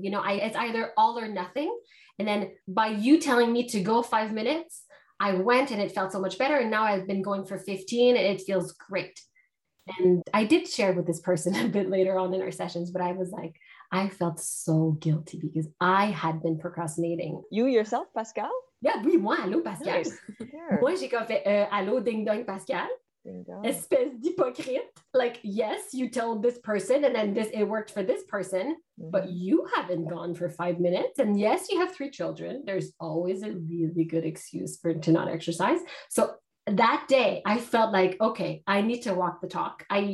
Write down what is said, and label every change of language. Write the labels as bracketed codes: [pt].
[en] You know, it's either all or nothing. And then by you telling me to go 5 minutes, I went and it felt so much better. And now I've been going for 15 and it feels great. And I did share with this person a bit later on in our sessions, but I was like, I felt so guilty because I had been procrastinating. You yourself, Pascale? Yeah, [fr] oui, moi, allô, Pascale. [en] Nice. Yeah. [fr] Moi, j'ai quand fait allô, ding-dong, Pascale. Ding-dong. Espèce d'hypocrite. [en] Like, yes, you told this person and then it worked for this person, but you haven't gone for 5 minutes. And yes, you have 3 children. There's always a really good excuse to not exercise. So that day I felt like, okay, I need to walk the talk.